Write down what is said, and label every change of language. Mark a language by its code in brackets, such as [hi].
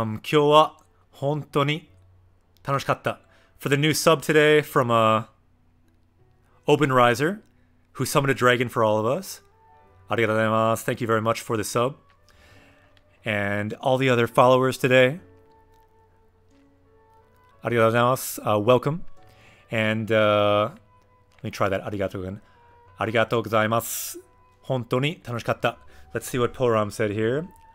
[ja] 今日は本当に楽しかった. [en] For the new sub today from Open Riser, who summoned a dragon for all of us. [ja] ありがとうございます. [en] Thank you very much for the sub. And all the other followers today. [ja] ありがとうございます. [en] Welcome. And let me try that. [ja] ありがとうございます.ありがとうございます. 本当に楽しかった. [en] Let's see what Poram said here.